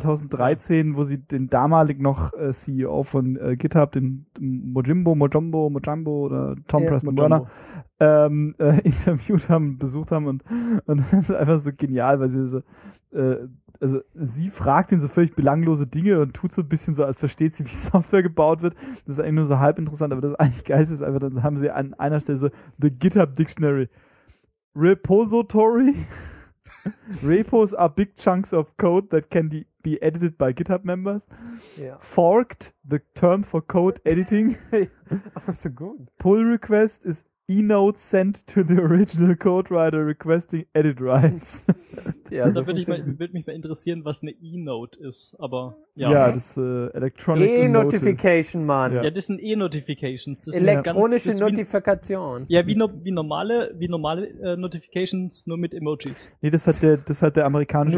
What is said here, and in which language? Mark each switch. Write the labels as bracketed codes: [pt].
[de] 2013, wo sie den damalig noch CEO von GitHub, den Mojimbo oder Tom Preston Turner, interviewt haben, besucht haben und das ist einfach so genial, weil sie so also sie fragt ihn so völlig belanglose Dinge und tut so ein bisschen so, als versteht sie, wie Software gebaut wird. Das ist eigentlich nur so halb interessant, aber das eigentlich geil ist einfach, dann haben sie an einer Stelle so The GitHub Dictionary. [en] Repository. Repos are big chunks of code that can be edited by GitHub members. Yeah. Forked, the term for code editing. [de] Aber so gut. [en] Pull request is E-Note sent to the original code writer requesting edit rights. [de] Ja, da würde mich mal interessieren, was eine E-Note ist, aber ja. Ja, das ist Electronic E-Notification, Mann. Ja, das sind E-Notifications. Das elektronische ganz, das Notifikation. Wie, ja, wie normale Notifications, nur mit Emojis. Nee, das hat der amerikanische